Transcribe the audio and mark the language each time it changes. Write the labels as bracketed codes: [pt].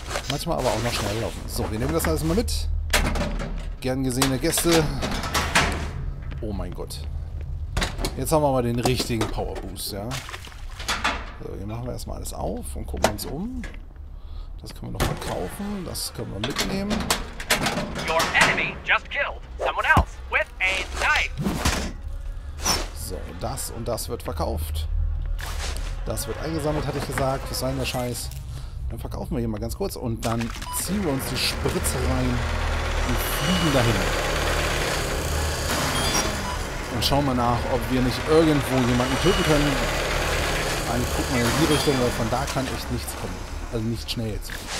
[de] Manchmal aber auch noch schneller laufen. So, wir nehmen das alles mal mit. Gern gesehene Gäste. Oh mein Gott. Jetzt haben wir mal den richtigen Power-Boost, ja. So, hier machen wir erstmal alles auf und gucken uns um. Das können wir noch mal kaufen, das können wir mitnehmen. [en] Your enemy just killed someone else with a knife. [de] So, das und das wird verkauft. Das wird eingesammelt, hatte ich gesagt. Was soll denn der Scheiß? Dann verkaufen wir hier mal ganz kurz und dann ziehen wir uns die Spritze rein und fliegen dahin. Und schauen wir nach, ob wir nicht irgendwo jemanden töten können. Eigentlich guck mal in die Richtung, weil von da kann echt nichts kommen. Also nicht schnell jetzt.